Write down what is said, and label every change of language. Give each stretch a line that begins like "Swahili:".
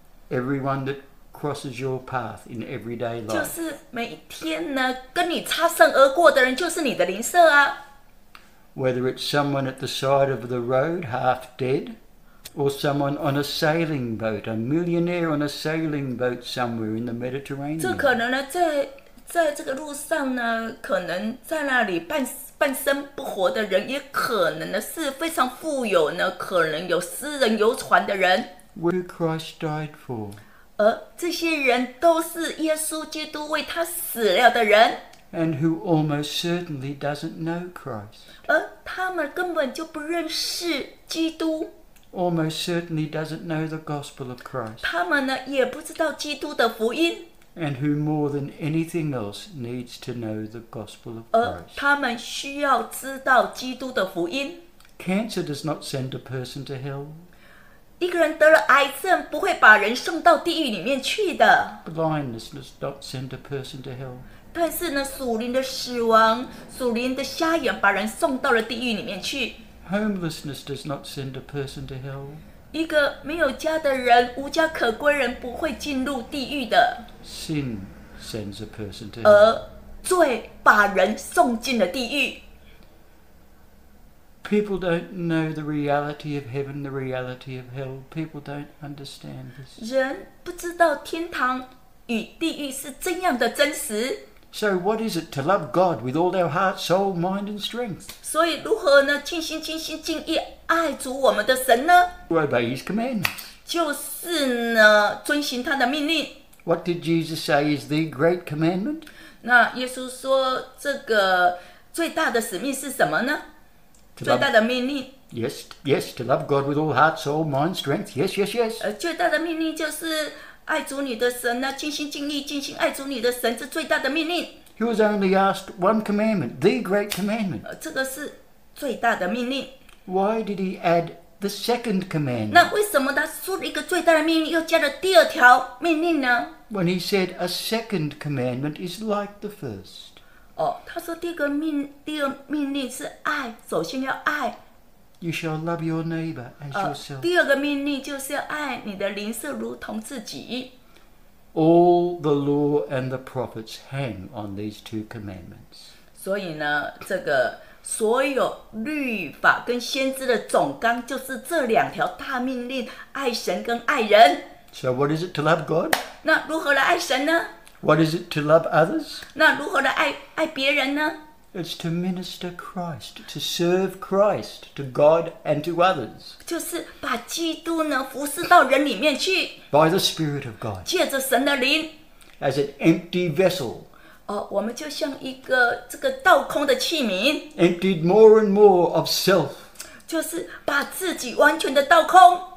English: Everyone that crosses your path in everyday life
Chinese: 就是每一天呢跟你擦身而过的人就是你的邻舍啊
English: Whether it's someone at the side of the road half deadOr someone on a sailing boat, a millionaire on a sailing boat somewhere in the Mediterranean.
Chinese: 这可能呢，在这个路上呢，可能在那里半生不活的人，也可能呢是非常富有呢，可能有私人游船的人。
English: Who Christ died for?
Chinese: 这些人都是耶稣基督为他死了的人。
English: And who almost certainly doesn't know Christ?
Chinese: 他们根本就不认识基督。
English: Almost certainly doesn't know the gospel of Christ.
Chinese: 他们呢也不知道基督的福音。
English: And who more than anything else needs to know the gospel of Christ.
Chinese: 他们需要知道基督的福音。
English: Cancer does not send a person to hell.
Chinese: 一个人得了癌症不会把人送到地狱里面去的。
English: Blindness does not send a person to hell.
Chinese: 但是呢属灵的死亡属灵的瞎眼把人送到了地狱里面去。
English: Homelessness does not send a person to hell.
Chinese: 一个没有家的人，无家可归人不会进入地狱的。
English: Sin sends a person to
Chinese: hell. 而罪把人送进了地狱。
English: People don't know the reality of heaven, the reality of hell. People don't understand this.
Chinese: 人不知道天堂与地狱是怎样的真实。
English: So what is it to love God with all our heart, soul, mind, and strength?
Chinese: 所以如何呢？尽心、尽心、尽意爱主我们的神呢
English: ？To obey His commandments.
Chinese: 就是呢，遵行他的命令。
English: What did Jesus say is the great commandment?
Chinese: 那耶稣说这个最大的使命是什么呢？最大的命令。
English: Yes, yes, to love God with all heart, soul, mind, strength. Yes, yes, yes.
Chinese: 最大的命令就是。爱主你的神呢，尽心尽力尽心爱主你的神，这最大的命令。
English: He was only asked one commandment, the great commandment.
Chinese: 这个是最大的命令。
English: Why did he add the second commandment?
Chinese: 那为什么他说了一个最大的命令，又加了第二条命令呢
English: ？When he said a second commandment is like the first.
Chinese: 他说第二命令是爱，首先要爱。
English: You shall love your neighbor as yourself.
Chinese: 第二个命令就是要爱你的邻舍如同自己。
English: All the law and the prophets hang on these two commandments.
Chinese: 所以呢，这个所有律法跟先知的总纲就是这两条大命令：爱神跟爱人。
English: So what is it to love God?
Chinese: 那如何来爱神呢
English: ？What is it to love others?
Chinese: 那如何来爱别人呢？
English: It's to minister Christ, to serve Christ, to God and to others.
Chinese: 就是把基督呢服侍到人里面去。
English: By the Spirit of God.
Chinese: 借着神的灵。
English: As an empty vessel.
Chinese: 我们就像一个这个倒空的器皿。
English: Emptied more and more of self.
Chinese: 就是把自己完全的倒空。